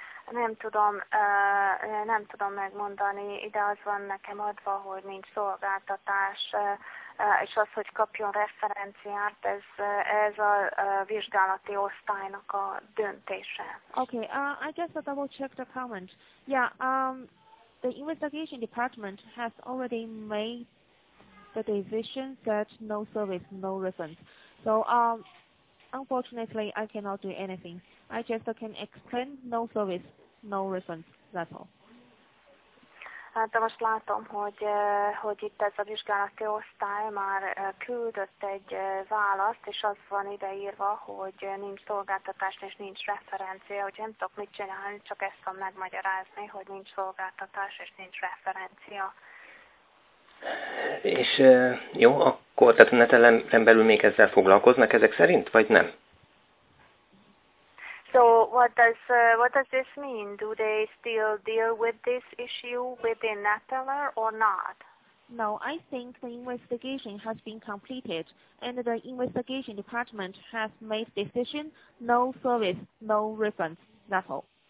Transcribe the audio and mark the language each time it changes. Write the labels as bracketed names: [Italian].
[Hungarian] Nem tudom megmondani, ide az van nekem adva, hogy nincs szolgáltatás, és az, hogy kapjon referenciát, ez a vizsgálati osztálynak a döntése. [English] Okay, I guess I'll double check the comment. The investigation department has already made the decision that no service, no refund. So unfortunately I cannot do anything. I just can explain no service. No reference, that's all. [Hungarian] Hát most látom, hogy itt ez a vizsgálati osztály már küldött egy választ, és az van ideírva, hogy nincs szolgáltatás és nincs referencia, hogy nem tudok mit csinálni, csak ezt tudom megmagyarázni, hogy nincs szolgáltatás és nincs referencia. És jó, akkor tehát neten belül még ezzel foglalkoznak ezek szerint, vagy nem? [English] So what does this mean? Do they still deal with this issue within Neteller or not? No, I think the investigation has been completed and the investigation department has made decision, no service, no refund, that's all.